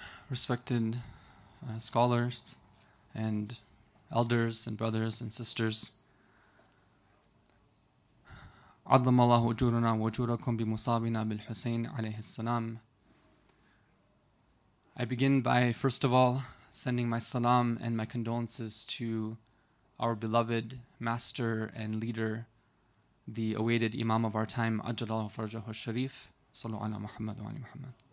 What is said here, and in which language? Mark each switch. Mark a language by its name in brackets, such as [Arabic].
[English] Respected scholars and elders and brothers and sisters. [Arabic] عظم الله أجورنا وأجوركم بمصابنا بالحسين عليه السلام. [English] I begin by first of all sending my salam and my condolences to our beloved master and leader, the awaited Imam of our time, [Arabic] أجلله فرجه الشريف. صلوا على محمد وعلى محمد.